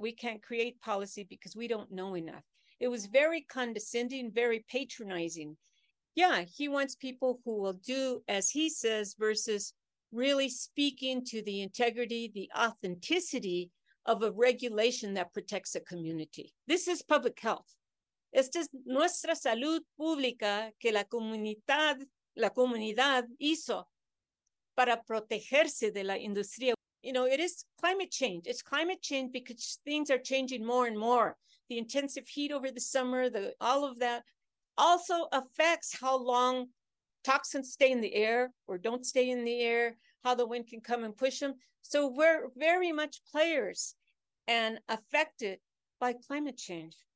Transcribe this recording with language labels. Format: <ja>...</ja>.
<en>We can't create policy because we don't know enough. It was very condescending, very patronizing. Yeah, he wants people who will do as he says versus really speaking to the integrity, the authenticity of a regulation that protects a community. This is public health.</en> <es>Esta es nuestra salud pública que la comunidad hizo para protegerse de la industria.</es> <en>You know, it is climate change. It's climate change because things are changing more and more. The intensive heat over the summer, all of that also affects how long toxins stay in the air or don't stay in the air, how the wind can come and push them. So we're very much players and affected by climate change.</en>